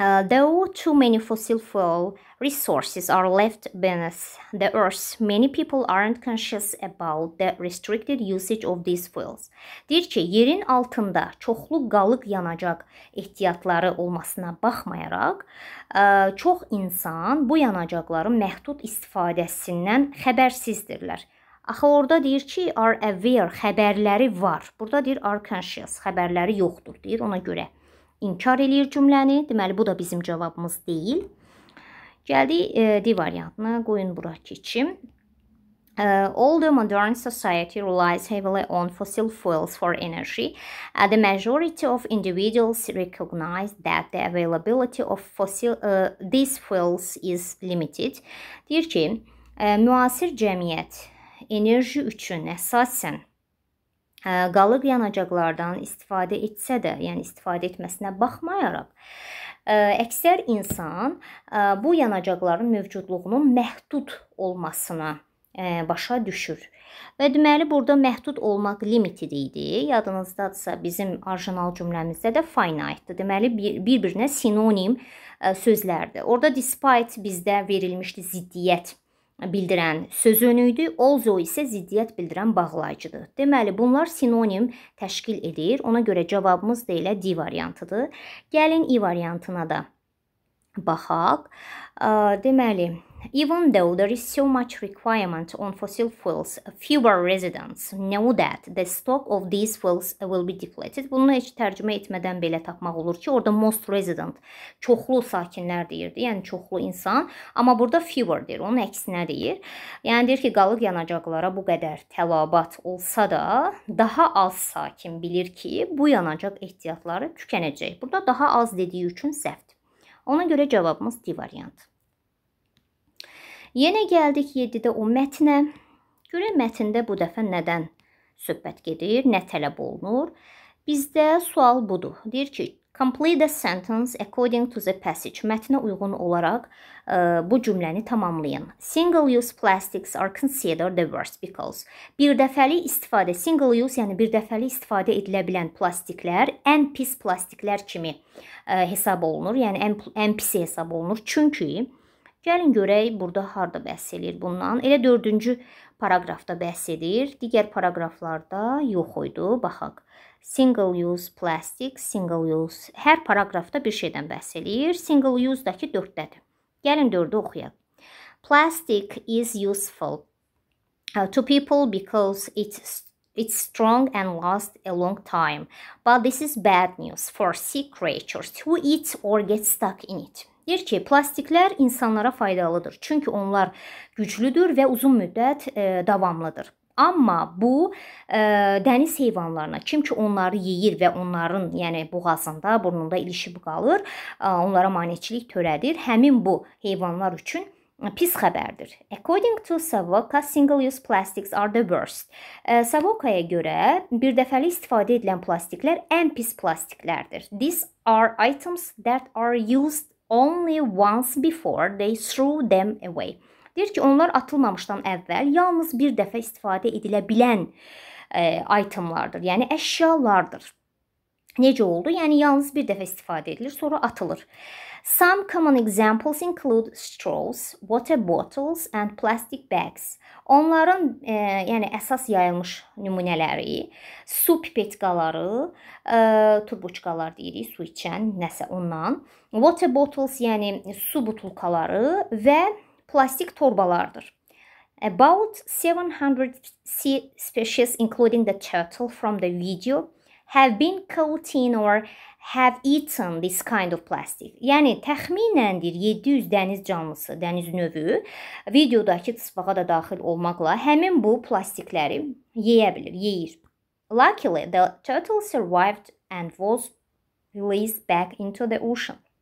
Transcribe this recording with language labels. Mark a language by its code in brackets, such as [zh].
[en] Though too many fossil fuel resources are left beneath the earth, many people aren't conscious about the restricted usage of these fuels. [az] Deyir ki, yerin altında çoxlu qalıq yanacaq ehtiyatları olmasına baxmayaraq, çox insan bu yanacaqların məhdud istifadəsindən xəbərsizdirlər. Axı orada deyir ki, [en] are aware, [az] xəbərləri var. Burada deyir, [en] are conscious, [az] xəbərləri yoxdur, deyir ona görə. İnkar eləyir cümləni. Deməli, bu da bizim cavabımız deyil. Gəldi D variantına. Qoyun bura keçim. [en] All the modern society relies heavily on fossil fuels for energy. The majority of individuals recognize that the availability of fossil these fuels is limited. [az] Deyir ki, müasir cəmiyyət enerji üçün əsasən qalıq yanacaqlardan istifadə etsə də, yəni istifadə etməsinə baxmayaraq, əksər insan bu yanacaqların mövcudluğunun məhdud olmasına başa düşür. Və deməli, burada məhdud olmaq limited idi. Yadınızdadırsa, bizim orijinal cümləmizdə də finite-dir. Deməli, bir-birinə sinonim sözlərdir. Orada despite bizdə verilmişdi ziddiyyət bildirən sözönüydü, although isə ziddiyyət bildirən bağlayıcıdır. Deməli, bunlar sinonim təşkil edir. Ona görə cavabımız da elə D variantıdır. Gəlin E variantına da baxaq. [en] Deməli, even though there is so much requirement on fossil fuels, fewer residents know that the stock of these fuels will be depleted. [az] Bunu heç tərcümə etmədən belə tapmaq olur ki, orada [en] most resident, [az] çoxlu sakinlər deyirdi, yəni çoxlu insan, amma burada fewer deyir, onun əksinə deyir. Yəni deyir ki, qalıq yanacaqlara bu qədər tələbat olsa da, daha az sakin bilir ki, bu yanacaq ehtiyatları tükənəcək. Burada daha az dediyi üçün səhvdir. Ona görə cavabımız D variantı. Yenə gəldik 7-də o mətnə. Görək, mətndə bu dəfə nədən söhbət gedir, nə tələb olunur? Bizdə sual budur. Deyir ki, [en] complete the sentence according to the passage. [az] Mətnə uyğun olaraq bu cümləni tamamlayın. [en] Single-use plastics are considered the worst because. [az] Bir dəfəli istifadə, single-use, yəni bir dəfəli istifadə edilə bilən plastiklər ən pis plastiklər kimi hesab olunur. Yəni, ən pis hesab olunur. Çünki, gəlin görək, burada harada bəhs edir bundan. Elə dördüncü paraqrafda bəhs edir. Digər paraqraflarda yox idi. Baxaq, single-use plastic, single-use. Hər paraqrafda bir şeydən bəhs edir. Single-use-dakı dörddədir. Gəlin dördü oxuyaq. [en] Plastic is useful to people because it's strong and lasts a long time. But this is bad news for sea creatures who eat or get stuck in it. [az] Deyir ki, plastiklər insanlara faydalıdır. Çünki onlar güclüdür və uzun müddət davamlıdır. Amma bu dəniz heyvanlarına, kim ki onları yeyir və onların yəni boğazında, burnunda ilişib qalır, onlara maneçilik törədir. Həmin bu heyvanlar üçün pis xəbərdir. [en] According to Savoca, single-use plastics are the worst. [az] Savoca-ya görə bir dəfəli istifadə edilən plastiklər ən pis plastiklərdir. [en] These are items that are used only once before they threw them away. [az] Deyir ki, onlar atılmamışdan əvvəl yalnız bir dəfə istifadə edilə bilən itemlardır, yəni əşyalardır. Necə oldu? Yəni, yalnız bir dəfə istifadə edilir, sonra atılır. [en] Some common examples include straws, water bottles and plastic bags. [az] Onların yəni əsas yayılmış nümunələri, su pipetkaları, turbuçkalar deyirik, su içən, nəsə ondan. [en] Water bottles, [az] yəni su butulkaları və plastik torbalardır. [en] About 700 sea species, including the turtle from the video, have been caught in or have eaten this kind of plastic. [az] Yəni, təxminəndir 700 dəniz canlısı, dəniz növü videodakı tısbağa da daxil olmaqla həmin bu plastikləri yeyə bilir, yeyir. [en] Luckily, the turtle survived and was released back into the ocean.